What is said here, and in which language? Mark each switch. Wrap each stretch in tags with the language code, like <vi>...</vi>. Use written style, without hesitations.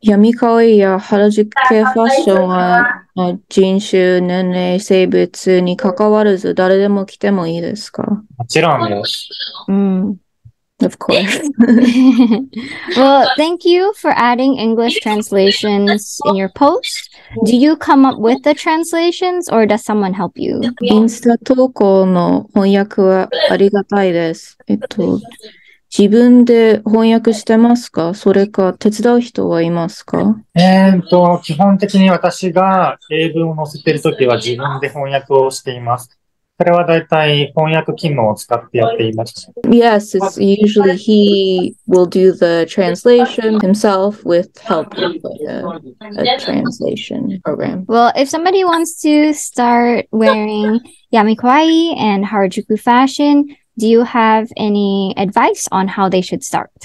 <ja>Yamikawaii ya Harajuku fashion wa 人種、年齢、性別に関わらず誰でも着てもいいですか？もちろんです。</ja> <en>Of course. Well, thank you for adding English translations in your post. Do you come up with the translations or does someone help you?</en> <ja>インスタ投稿の翻訳はありがたいです。自分で翻訳してますか？それか手伝う人はいますか？基本的に私が英文を載せてるときは自分で翻訳をしています。それはだいたい翻訳機能を使ってやっています。</ja> <en>Yes, it's usually he will do the translation himself with help with a translation program. Well, if somebody wants to start wearing Yamikawaii and Harajuku fashion,Do you have any advice on how they should start?</en>